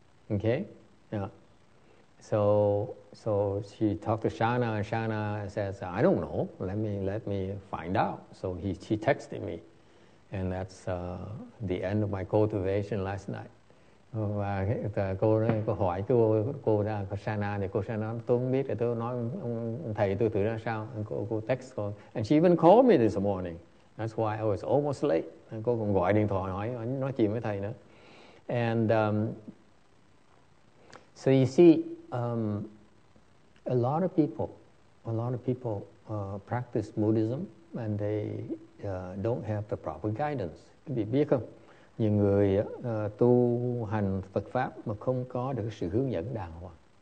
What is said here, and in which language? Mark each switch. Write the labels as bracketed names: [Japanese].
[English] Okay? Yeah. So she talked to Shana, and Shana says, I don't know. Let me find out. So she texted me. And that's the end of my cultivation last night. [Vietnamese] Và cô hỏi cô ra cô Shana thì cô Shana nói, tôi không biết, thì tôi nói thầy tôi thử ra sao. Cô text cô, [English] and she even called me this morning, that's why I was almost late. [Vietnamese] And cô còn gọi điện thoại nói chuyện với thầy nữa. [English] And so you see, a lot of people practice Buddhism and they don't have the proper guidance. [Vietnamese] Các vị biết không, nhiều người tu hành Phật pháp mà không có được sự hướng dẫn đàng hoàng.